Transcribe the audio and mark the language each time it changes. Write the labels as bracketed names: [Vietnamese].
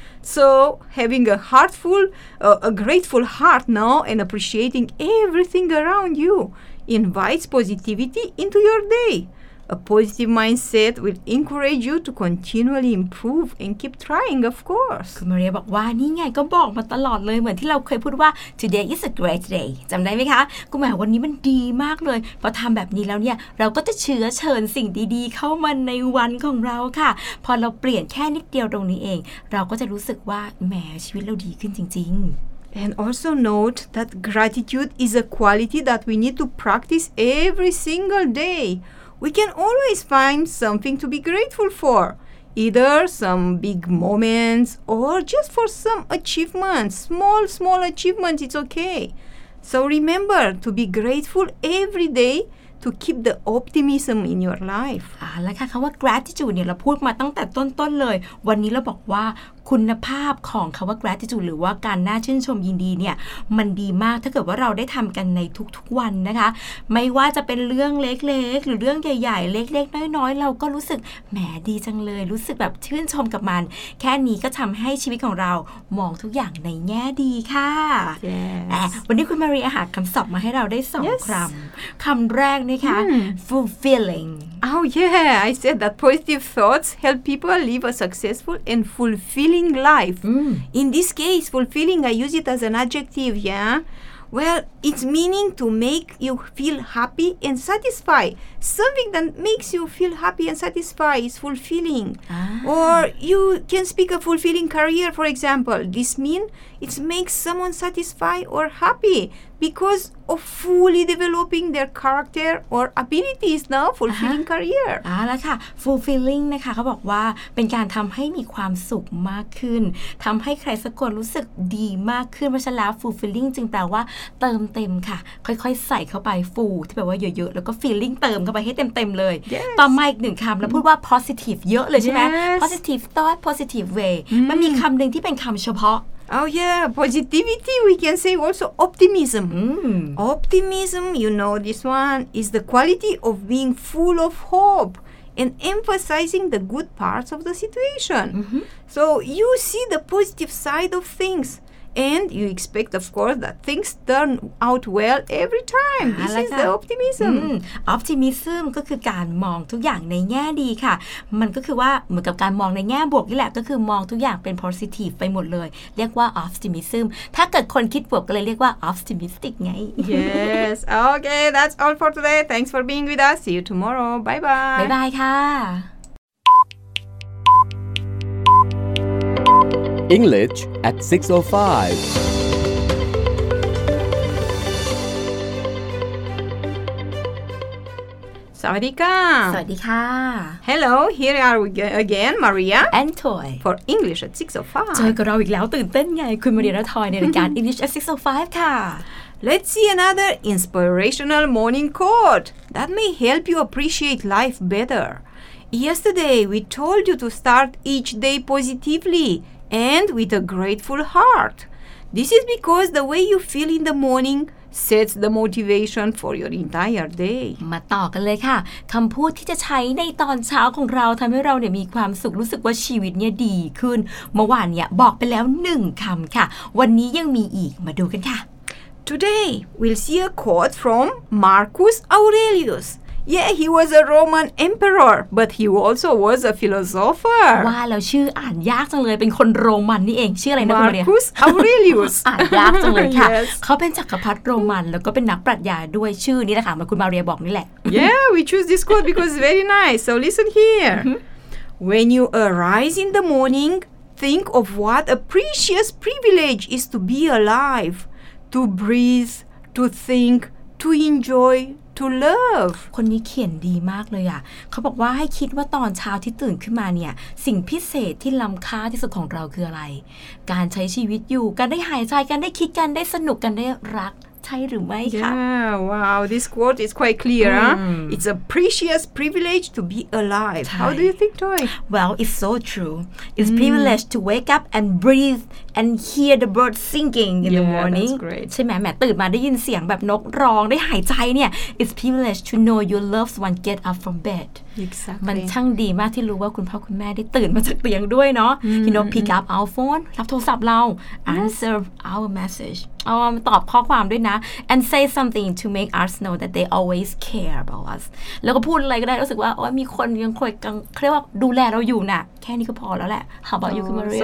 [English] So having a heartful, a grateful heart now and appreciating everything around you invites positivity into your day. A positive mindset will encourage you to continually improve and keep trying, of course. [Thai] คุณมาเรียบอกว่านี่ไงก็บอกมาตลอดเลยเหมือนที่เราเคยพูดว่า [English] today is a great day. [Thai] จำได้ไหมคะคุณหมายวันนี้มันดีมากเลยพอทำแบบนี้แล้วเนี่ยเราก็จะเชื้อเชิญสิ่งดีๆเข้ามาในวันของเราค่ะพอเราเปลี่ยนแค่นิดเดียวตรงนี้เองเราก็จะรู้สึกว่าแหมชีวิตเราดีขึ้นจริงๆ [English] And also note that gratitude is a quality that we need to practice every single day. We can always find something to be grateful for, either some big moments or just for some achievements, small achievements, it's okay. So remember to be grateful every day. To keep the optimism in your life. [Thai] แล้วค่ะคำว่า gratitude เนี่ยเราพูดมาตั้งแต่ต้นๆเลยวันนี้เราบอกว่าคุณภาพของคำว่า gratitude หรือว่าการน่าชื่นชมยินดีเนี่ยมันดีมากถ้าเกิดว่าเราได้ทำกันในทุกๆวันนะคะไม่ว่าจะเป็นเรื่องเล็กๆหรือเรื่องใหญ่ๆเล็กๆน้อยๆเราก็รู้สึกแหมดีจังเลยรู้สึกแบบชื่นชมกับมันแค่นี้ก็ทำให้ชีวิตของเรามองทุกอย่างในแง่ดีค่ะ [English] yes. [Thai] วันนี้คุณมารีอาหารคำศัพท์มาให้เราได้สอง [English] yes. [Thai] คำแรกนะคะ fulfilling [English] oh yeah I said that positive thoughts help people live a successful and fulfilling life in this case fulfilling I use it as an adjective yeah well it's meaning to make you feel happy and satisfied something that makes you feel happy and satisfied is fulfilling or you can speak a fulfilling career for example this means it makes someone satisfied or happyBecause of fully developing their character or abilities, no? Fulfilling career. [Thai] แล้วค่ะ fulfilling นะคะเขาบอกว่าเป็นการทำให้มีความสุขมากขึ้นทำให้ใครสักคนรู้สึกดีมากขึ้นเพราะฉะนั้น fulfilling จึงแปลว่าเติมเต็มค่ะค่อยๆใส่เข้าไป full ที่แปลว่าเยอะๆแล้วก็ feeling เติมเข้าไปให้เต็มๆเลย [English] yes. [Thai] ต่อมาอีกหนึ่งคำแล้วพูดว่า positive เยอะเลย [English] yes. [Thai] ใช่ไหม positive thought positive way มันมีคำหนึ่งที่เป็นคำเฉพาะ [English] Oh yeah, positivity, we can say also optimism. Mm. Optimism, you know this one, is the quality of being full of hope and emphasizing the good parts of the situation. Mm-hmm. So you see the positive side of things. And you expect, of course, that things turn out well every time. This is the optimism. [Thai] Optimism ก็คือการมองทุกอย่างในแง่ดีค่ะมันก็คือว่าเหมือนกับการมองในแง่บวกนี่แหละก็คือมองทุกอย่างเป็น positive ไปหมดเลยเรียกว่า optimism ถ้าเกิดคนคิดบวกก็เลยเรียกว่า optimistic ไง [English] Yes. Okay. That's all for today. Thanks for being with us. See you tomorrow. Bye bye. Bye bye ค่ะ English at 6:05. [Thai] สวัสดีค่ะ สวัสดีค่ะ [English] Hello, here are we again, Maria and Toy for English at 6:05. [Thai] เจอกับเราอีกแล้วตื่นเต้นไงคุณมาเรียนและทอยในรายการ English at 6:05 ค่ะ [English] Let's see another inspirational morning quote that may help you appreciate life better. Yesterday, we told you to start each day positively. And with a grateful heart. This is because the way you feel in the morning sets the motivation for your entire day. [Thai] มาต่อกันเลยค่ะคำพูดที่จะใช้ในตอนเช้าของเราทำให้เราเนี่ยมีความสุขรู้สึกว่าชีวิตเนี่ยดีขึ้นเมื่อวานเนี่ยบอกไปแล้ว1คำค่ะวันนี้ยังมีอีกมาดูกันค่ะ [English] Today we'll see a quote from Marcus Aurelius. Yeah, he was a Roman emperor, but he also was a philosopher. [Thai] ว้าแล้วชื่ออ่านยากจังเลยเป็นคนโรมันนี่เองชื่ออะไรนะคุณเรียน [English] Marcus Aurelius [Thai] อ่านยากจังเลยค่ะเขาเป็นจักรพรรดิโรมันแล้วก็เป็นนักปรัชญาด้วยชื่อนี้นะคะมาคุณมาเรียบอกนี่แหละ [English] Yeah, we choose this quote because it's very nice. So listen here. When you arise in the morning, think of what a precious privilege is to be alive, to breathe, to think, to enjoy. To love. [Thai] คนนี้เขียนดีมากเลยอ่ะเขาบอกว่าให้คิดว่าตอนเช้าที่ตื่นขึ้นมาเนี่ยสิ่งพิเศษที่ล้ำค่าที่สุดของเราคืออะไรการใช้ชีวิตอยู่การได้หายใจการได้คิดการได้สนุกการได้รักใช่หรือไม่คะ [English] Yeah, wow. This quote is quite clear. Huh? It's a precious privilege to be alive. How do you think, Toy? Well, it's so true. It's privilege to wake up and breathe and hear the birds singing in the morning. Yeah, that's great. [Thai] ใช่ไหมตื่นมาได้ยินเสียงแบบนกร้องได้หายใจเนี่ย [English] It's privilege to know your loved one get up from bed. Exactly. [Thai] มันช่างดีมากที่รู้ว่าคุณพ่อคุณแม่ได้ตื่นมาจากเตียงด้วยเนาะ [English] You know, pick up our phone, [Thai] รับโทรศัพท์เรา [English] answer our message. [Thai] ตอบข้อความด้วยนะ [English] and say something to make us know that they always care about us [Thai] แล้วก็พูดอะไรก็ได้รู้สึกว่าโอ้ยมีคนยังคอยกังเรียกว่าดูแลเราอยู่น่ะแค่นี้ก็พอแล้วแหละ [English] How about you Maria